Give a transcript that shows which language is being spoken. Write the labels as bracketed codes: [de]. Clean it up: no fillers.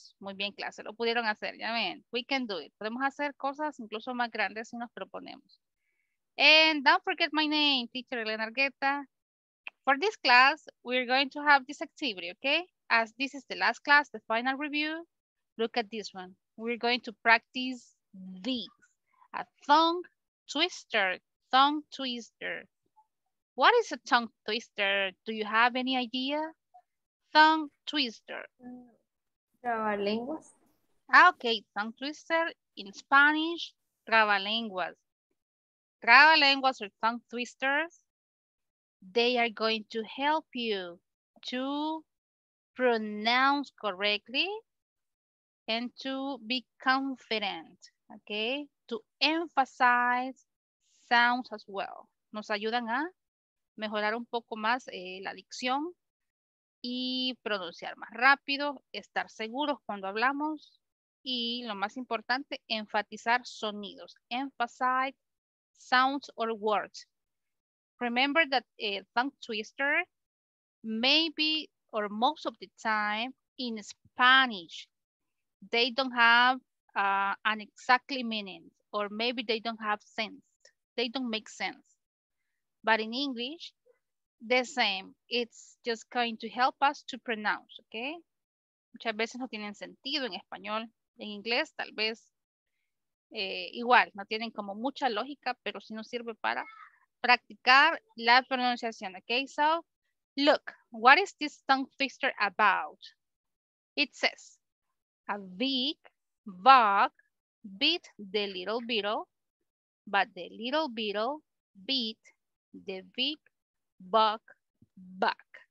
[es] Muy bien, clase, lo pudieron hacer, ya ven. [en] We can do it. [es] Podemos hacer cosas incluso más grandes si nos proponemos. [en] And don't forget my name, teacher Elena Argueta. For this class, we're going to have this activity, okay? As this is the last class, the final review, look at this one. We're going to practice this, a tongue twister, tongue twister. What is a tongue twister? Do you have any idea? Tongue twister. [es] Trabalenguas. [en] Okay, tongue twister in Spanish, trabalenguas. Trabalenguas or tongue twisters, they are going to help you to pronounce correctly and to be confident, okay? To emphasize sounds as well. [es] Nos ayudan a mejorar un poco más la dicción y pronunciar más rápido, estar seguros cuando hablamos y lo más importante, enfatizar sonidos. [en] Emphasize sounds or words. Remember that a tongue twister, maybe or most of the time in Spanish, they don't have an exactly meaning, or maybe they don't have sense. They don't make sense. But in English, the same. It's just going to help us to pronounce, okay? [es] Muchas veces no tienen sentido en español. En inglés, tal vez, igual, no tienen como mucha lógica, pero sí nos sirve para practicar la pronunciación, okay? [en] So, look, what is this tongue twister about? It says, a big bug beat the little beetle, but the little beetle beat the big bug back.